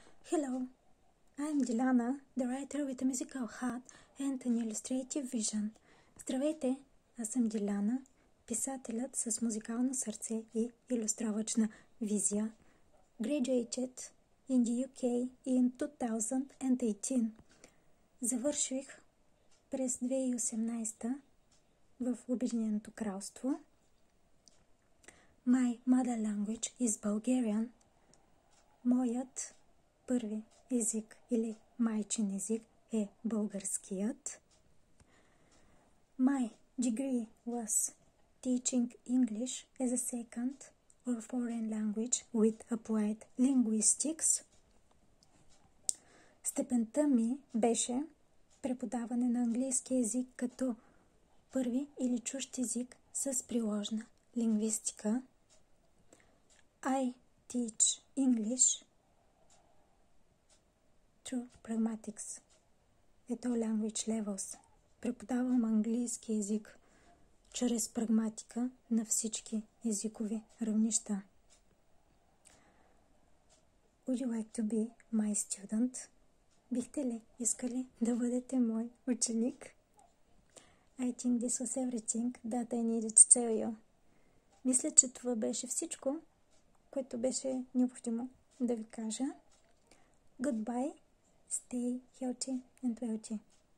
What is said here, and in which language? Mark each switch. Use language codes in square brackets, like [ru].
[en] Hello, I'm Dilana, the writer with a musical heart and an illustrative vision. [bg] Здравейте, аз съм Диляна, писателят с музикално сърце и илюстравачна визия. [en] Graduated in the UK in 2018. [bg] Завърших през 2018 в Обединеното кралство. [en] My mother language is Bulgarian. [bg] Моят първи език или майчин език е българският. [en] My degree was teaching English as a second or foreign language with applied linguistics. [bg] Степента ми беше преподаване на английски език като първи или чужд език с приложна лингвистика. [en] I teach English through pragmatics at all language levels. [bg] Преподавам английски език чрез прагматика на всички езикови равнища. [en] Would you like to be my student? [bg] Бихте ли искали да бъдете мой ученик? [en] I think this was everything that I needed to tell you. [bg] Мисля, че това беше всичко, което беше необходимо да ви кажа. [en] Goodbye, stay healthy and wealthy.